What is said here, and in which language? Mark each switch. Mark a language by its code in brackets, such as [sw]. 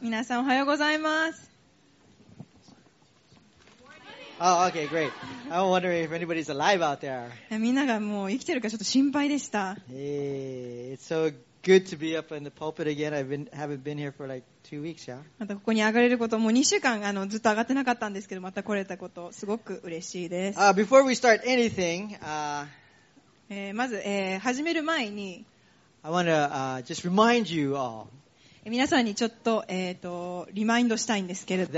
[ja] 皆さんおはようございます。 [en] Oh, okay, great. I'm wondering if anybody's alive out there. [ja] みんながもう生きてるかちょっと心配でした。 [en] Hey, it's so good to be up in the pulpit again. I haven't been here for like 2 weeks, yeah? [ja] またここに上がれること、もう2週間ずっと上がってなかったんですけど、また来れたこと、すごく嬉しいです。 [en] Before we start anything, [ja] まず、始める前に、 [en] I want to, just remind you all. [ja] 皆さんにちょっと、リマインドしたいんですけれど。